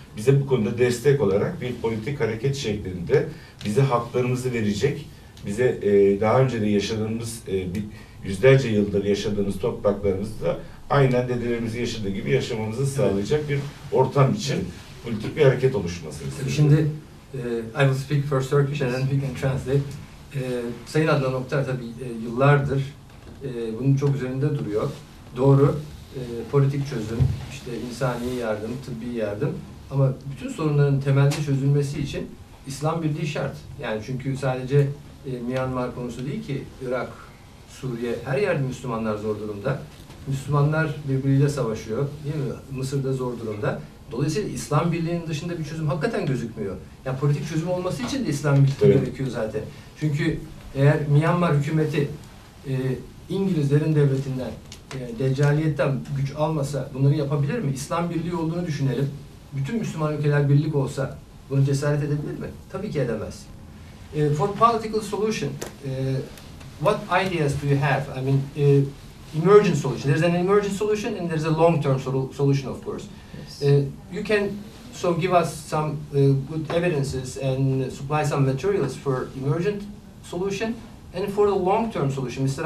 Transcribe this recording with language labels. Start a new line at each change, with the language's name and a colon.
Turkish: Bize bu konuda destek olarak bir politik hareket şeklinde bize haklarımızı verecek, bize daha önce de yaşadığımız, yüzlerce yıldır yaşadığımız topraklarımızda aynen dedelerimizin yaşadığı gibi yaşamamızı sağlayacak bir ortam için politik bir hareket oluşması.
English: Şimdi, I will speak first Turkish and then we can translate.
Turkish: Sayın Adnan Oktar tabii yıllardır bunun çok üzerinde duruyor. Doğru, politik çözüm, işte insani yardım, tıbbi yardım ama bütün sorunların temelde çözülmesi için İslam birliği şart. Yani çünkü sadece Myanmar konusu değil ki, Irak, Suriye, her yerde Müslümanlar zor durumda. Müslümanlar birbiriyle savaşıyor, değil mi? Mısır'da zor durumda. Dolayısıyla İslam Birliği'nin dışında bir çözüm hakikaten gözükmüyor. Yani politik çözüm olması için de İslam Birliği gerekiyor zaten. Çünkü eğer Myanmar hükümeti İngilizlerin devletinden, deccaliyetten güç almasa bunları yapabilir mi? İslam Birliği olduğunu düşünelim. Bütün Müslüman ülkeler birlik olsa bunu cesaret edebilir mi? Tabii ki edemez.
English: For political solution, what ideas do you have? I mean, emergent solution. There's an emergent solution and there's a long-term solution, of course. Yes. You can so give us some good evidences and supply some materials for emergent solution and for the long-term solution. Mr.